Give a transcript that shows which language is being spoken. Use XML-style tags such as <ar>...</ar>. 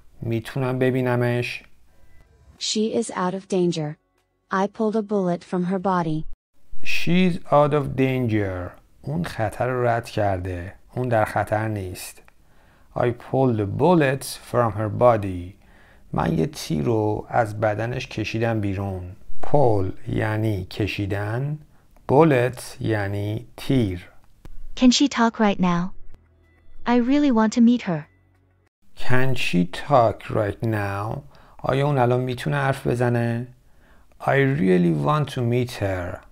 <fa>میتونم ببینمش؟</fa> <en>She is out of danger. I pulled a bullet from her body. She's out of danger.</en> <fa>اون خطر رو رد کرده. اون در خطر نیست.</fa> <en>I pulled a bullet from her body.</en> <fa>من یه تیر رو از بدنش کشیدم بیرون. Pull یعنی کشیدن. Bullet یعنی تیر.</fa> <en>Can she talk right now? I really want to meet her. Can she talk right now?</en> <fa>آیا اون الان میتونه حرف بزنه؟</fa> <en>I really want to meet her.</en>